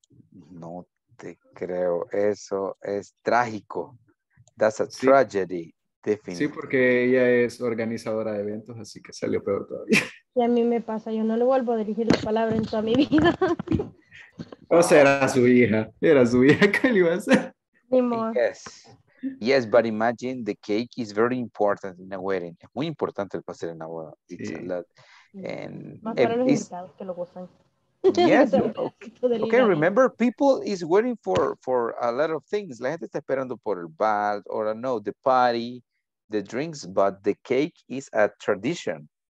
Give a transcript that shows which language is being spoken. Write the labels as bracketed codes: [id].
[es] No te creo. Eso es trágico. [en] That's a tragedy. [es] Sí, porque ella es organizadora de eventos, así que salió peor todavía. Y a mí me pasa, yo no le vuelvo a dirigir la palabra en toda mi vida. O sea, era su hija que le iba a hacer. Ni modo. [en] Yes, but imagine the cake is very important in a wedding. [es] Es muy importante el pastel en la boda. [en] It's sí. A lot. And [es] más para los invitados que lo gozan. [en] Yes, okay, remember, people is waiting for a lot of things. [es] La gente está esperando por el bal, [en] or no, the party, the drinks, but the cake is a tradition.